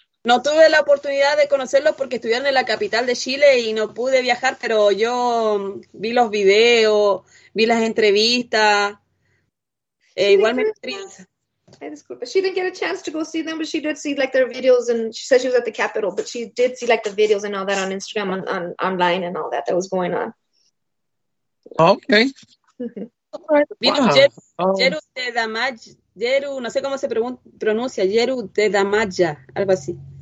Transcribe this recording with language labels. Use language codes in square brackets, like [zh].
[es] No tuve la oportunidad de conocerlos porque estuvieron en la capital de Chile y no pude viajar, pero yo vi los videos, vi las entrevistas. [en] She didn't get a chance to go see them, but she did see like their videos, and she said she was at the capital, but she did see like the videos and all that on Instagram, on online and all that was going on. Okay. [es] Vino Jeru de Damaj, Jeru, no sé cómo se pronuncia, Jeru de Damaja, algo así.